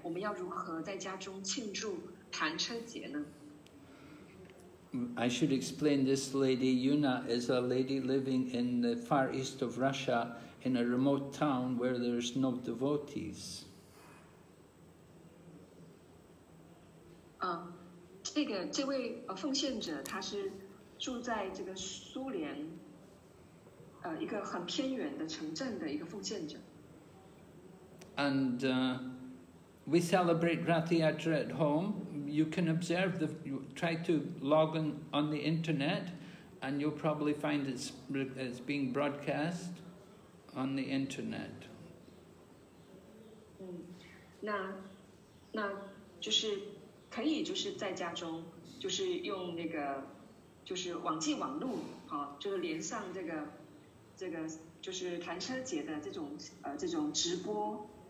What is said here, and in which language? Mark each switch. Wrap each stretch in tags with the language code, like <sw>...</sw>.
<zh>我们要如何在家中庆祝盘车节呢？</zh> <en>I should explain this lady. Yuna is a lady living in the far east of Russia in a remote town where there's no devotees.</en> <zh>这位奉献者他是住在这个苏联一个很偏远的城镇的一个奉献者。</zh> <en>And we celebrate Radha Yatra at home. You can observe the. Try to log on the internet, and you'll probably find it's being broadcast on the internet.</en> <zh>那就是可以就是在家中就是用那个就是网际网路啊，就是连上这个就是弹车节的这种直播。</zh>